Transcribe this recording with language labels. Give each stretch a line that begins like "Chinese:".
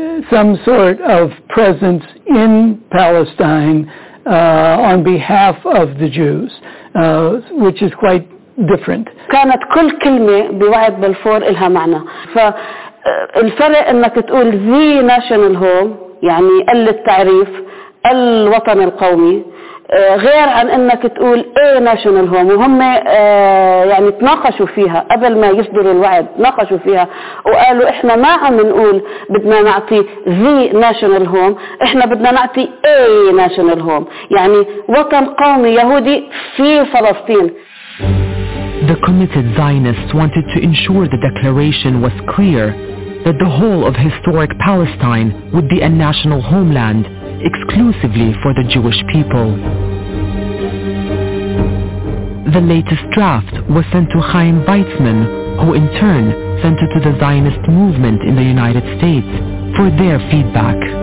English: some sort of presence in Palestine on behalf of the Jews, which is quite different.
Arabic: كانت كل كلمة بوعد بلفور إلها معنى. فالفرق إنك تقول
English: the national home
Arabic: يعني التعريف الوطن القومي. غير عن انك تقول
English: a national home
Arabic: وهم يعني تناقشوا فيها قبل ما يصدروا الوعد تناقشوا فيها وقالوا احنا ما عم نقول بدنا نعطي
English: the national home
Arabic: احنا بدنا نعطي ايه ناشونال هوم يعني وطن قومي يهودي في فلسطين.
English: The committed Zionists wanted to ensure the declaration was clear that the whole of historic Palestine would be a national homeland exclusively for the Jewish people. The latest draft was sent to Chaim Weizmann, who in turn sent it to the Zionist movement in the United States for their feedback.